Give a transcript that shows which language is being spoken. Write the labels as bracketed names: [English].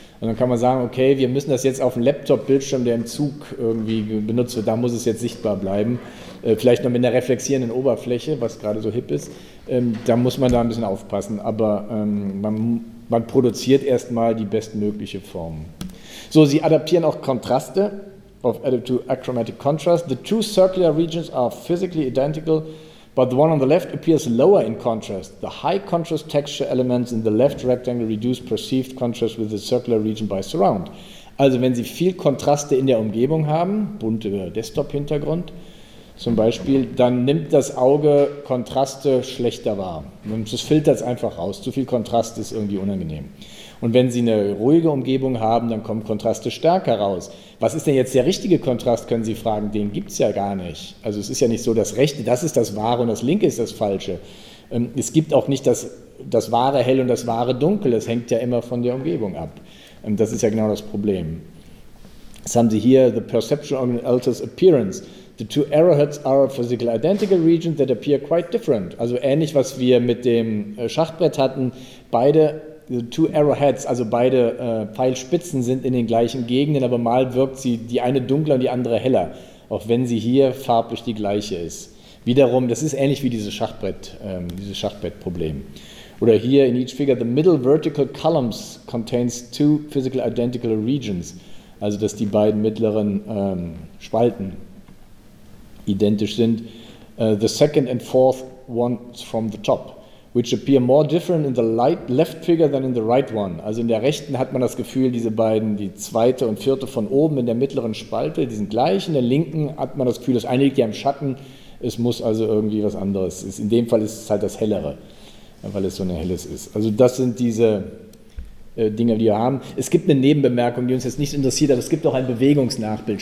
[German] Und dann kann man sagen, okay, wir müssen das jetzt auf dem Laptop-Bildschirm, der im Zug irgendwie benutzt wird, da muss es jetzt sichtbar bleiben. Vielleicht noch mit einer reflexierenden Oberfläche, was gerade so hip ist. Da muss man da ein bisschen aufpassen, aber man produziert erstmal die bestmögliche Form. So, Sie adaptieren auch Kontraste, [English] of additive achromatic contrast. The two circular regions are physically identical, but the one on the left appears lower in contrast. The high contrast texture elements in the left rectangle reduce perceived contrast with the circular region by surround. [German] Also wenn Sie viel Kontraste in der Umgebung haben, bunte Desktop-Hintergrund zum Beispiel, dann nimmt das Auge Kontraste schlechter wahr. Das filtert es einfach raus. Zu viel Kontrast ist irgendwie unangenehm. Und wenn Sie eine ruhige Umgebung haben, dann kommen Kontraste stärker raus. Was ist denn jetzt der richtige Kontrast, können Sie fragen? Den gibt es ja gar nicht. Also es ist ja nicht so, das Rechte, das ist das Wahre und das Linke ist das Falsche. Es gibt auch nicht das Wahre hell und das Wahre dunkel. Das hängt ja immer von der Umgebung ab. Das ist ja genau das Problem. Das haben Sie hier, [English] the perception of an alters appearance. The two arrowheads are a physically identical region that appear quite different. [German] Also ähnlich, was wir mit dem Schachbrett hatten, beide [English] the two arrowheads, [German] also beide Pfeilspitzen sind in den gleichen Gegenden, aber mal wirkt sie die eine dunkler und die andere heller, auch wenn sie hier farblich die gleiche ist. Wiederum, das ist ähnlich wie dieses Schachbrettproblem. Oder hier [English] in each figure, the middle vertical columns contains two physically identical regions, [German] also dass die beiden mittleren Spalten identisch sind. [English] The second and fourth ones from the top, which appear more different in the left figure than in the right one. [German] Also in der rechten hat man das Gefühl, diese beiden, die zweite und vierte von oben in der mittleren Spalte, die sind gleich. In der linken hat man das Gefühl, das eine liegt ja im Schatten. Es muss also irgendwie was anderes. In dem Fall ist es halt das hellere, weil es so ein helles ist. Also das sind diese Dinge, die wir haben. Es gibt eine Nebenbemerkung, die uns jetzt nicht interessiert, aber es gibt auch ein Bewegungsnachbild.